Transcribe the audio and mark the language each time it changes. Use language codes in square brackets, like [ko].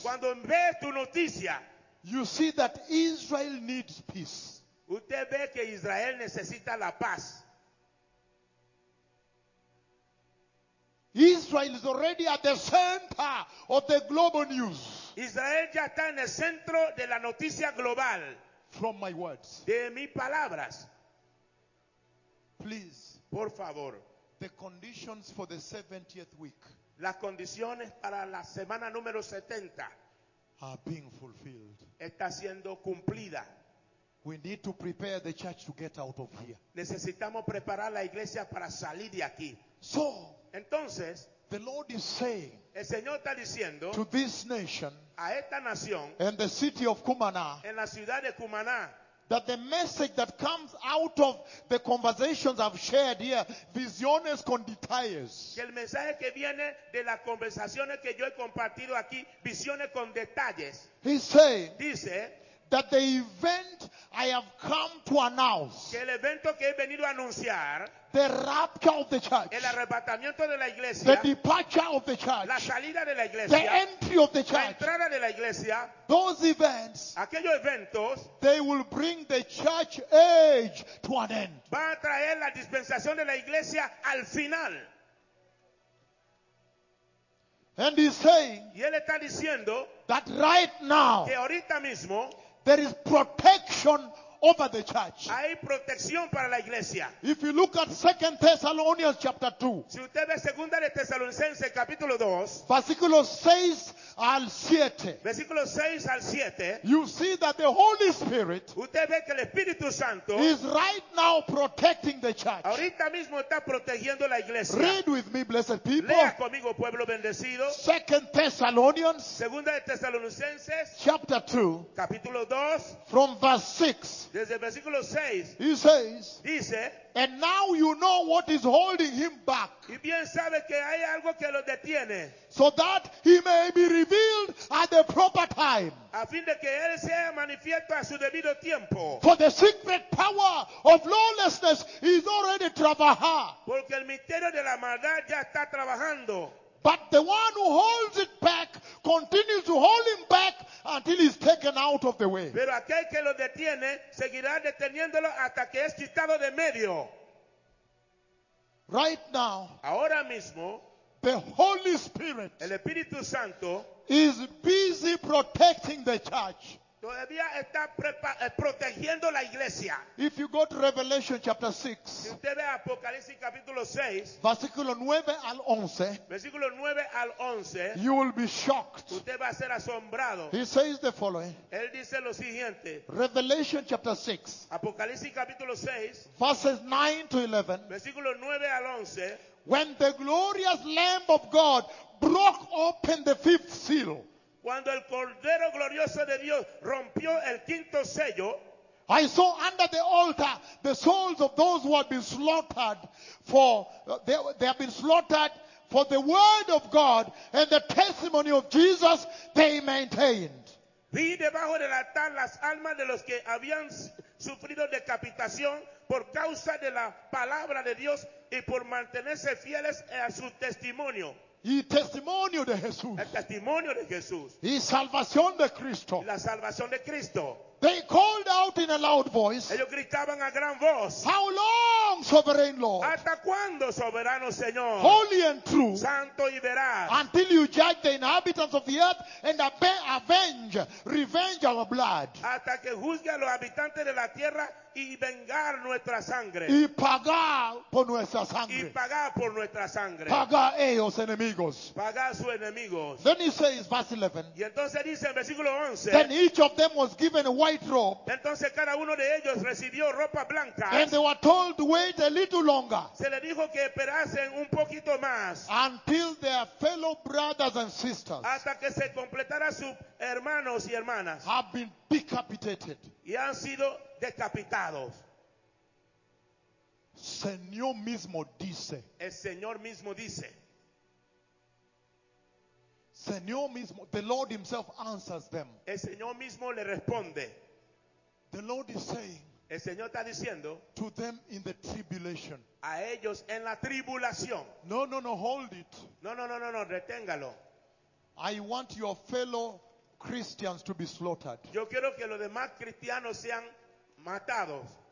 [es] cuando ves tu noticia, [en] you see that Israel needs peace. [es] Usted ve que Israel necesita la paz. [en] Israel is already at the center of the global news. [es] Israel ya está en el centro de la noticia global. [en] From my words, [es] de mis palabras. [en] Please, [es] por favor. [en] The conditions for the 70th week. [es] Las condiciones para la semana número 70 [en] are being fulfilled. [es] Está siendo cumplida. [en] We need to prepare the church to get out of here. [es] Necesitamos preparar la iglesia para salir de aquí. [en] So, [es] entonces, [en] the Lord is saying, [es] el Señor está diciendo, [en] to this nation, [es] a esta nación, [en] and the city of Cumaná, [es] en la ciudad de Cumaná, [en] that the message that comes out of the conversations I've shared here, [es] visiones con detalles. Que el mensaje que viene de las conversaciones que yo he compartido aquí, visiones con detalles. [en] He said, [es] dice, [en] that the event I have come to announce, [es] que el evento que he venido a anunciar, [en] the rapture of the church, [es] el arrebatamiento de la iglesia, [en] the departure of the church, [es] la salida de la iglesia, [en] the entry of the church, [es] la entrada de la iglesia, [en] those events, [es] aquellos eventos, [en] they will bring the church age to an end. [es] Va a traer la dispensación de la iglesia al final. [en] And he's saying, [es] y él está diciendo, [en] that right now, [es] que ahorita mismo, [en] there is protection over the church. [es] Hay protección para la iglesia. [en] If you look at 2 Thessalonians chapter 2, [es] si usted ve segunda de Tesalonicenses capítulo 2, versículo 6 al 7, versículo 6 al 7, [en] you see that the Holy Spirit, [es] usted ve que el Espíritu Santo, [en] is right now protecting the church. [es] Ahorita mismo está protegiendo la iglesia. [en] Read with me, blessed people. [es] Lea conmigo, pueblo bendecido. [en] 2 Thessalonians, [es] segunda de Tesalonicenses [en] chapter 2, [es] capítulo 2, [en] from verse 6. [es] Desde el versículo 6. [en] He says. [es] Dice. [en] And now you know what is holding him back. [es] Y bien sabe que hay algo que lo detiene. [en] So that he may be revealed at the proper time. [es] A fin de que él sea manifiesto a su debido tiempo. [en] For the secret power of lawlessness is already trabajar. [es] Porque el misterio de la maldad ya está trabajando. [en] But the one who holds it back continues to hold him back until he's taken out of the way. [es] Pero aquel que lo detiene seguirá deteniéndolo hasta que es quitado de medio. [en] Right now, [es] ahora mismo, [en] the Holy Spirit, [es] el Espíritu Santo, [en] is busy protecting the church. [es] Todavía está protegiendo la iglesia. [en] If you go to Revelation chapter 6, [es] si usted ve Apocalipsis capítulo 6, versículo 9 al 11, versículo 9 al 11, [en] you will be shocked. [es] Usted va a ser asombrado. [en] He says the following. [es] Él dice lo siguiente. [en] Revelation chapter 6, [es] Apocalipsis capítulo 6, [en] verses 9 to 11, [es] versículo 9 al 11, [en] when the glorious Lamb of God broke open the fifth seal, [es] cuando el Cordero Glorioso de Dios rompió el quinto sello, [en] I saw under the altar the souls of those who had been slaughtered for they have been slaughtered for the word of God and the testimony of Jesus they maintained. [es] Vi debajo del altar las almas de los que habían sufrido decapitación por causa de la palabra de Dios y por mantenerse fieles a su testimonio. Y testimonio de Jesús. El testimonio de Jesús. Y salvación de Cristo. La salvación de Cristo. [en] They called out in a loud voice. [es] Ellos gritaban a gran voz. [en] How long, sovereign Lord? [es] ¿Hasta cuándo, soberano Señor? [en] Holy and true. [es] Santo y veraz. [en] Until you judge the inhabitants of the earth and revenge our blood. [es] Hasta que juzgue a los habitantes de la tierra y vengar nuestra sangre. Y pagar por nuestra sangre. Y pagar por nuestra sangre. Pagar ellos enemigos. Pagar sus enemigos. [en] Then he says, verse 11. [es] Y entonces dice en versículo 11. [en] Then each of them was given a white robe. [es] Entonces cada uno de ellos recibió ropa blanca. [en] And they were told to wait a little longer. [es] Se le dijo que esperasen un poquito más. [en] Until their fellow brothers and sisters. [es] Hasta que se completara su hermanos y hermanas. [en] Have been decapitated. [es] Y han sido decapitados. Señor mismo dice. El Señor mismo dice. Señor mismo, [en] the Lord himself answers them. [es] El Señor mismo le responde. [en] The Lord is saying. [es] El Señor está diciendo. [en] To them in the tribulation. [es] A ellos en la tribulación. [en] No, no, no, hold it. [es] No, reténgalo. [en] I want your fellow Christians to be slaughtered. [es] Yo quiero que los demás cristianos sean matados.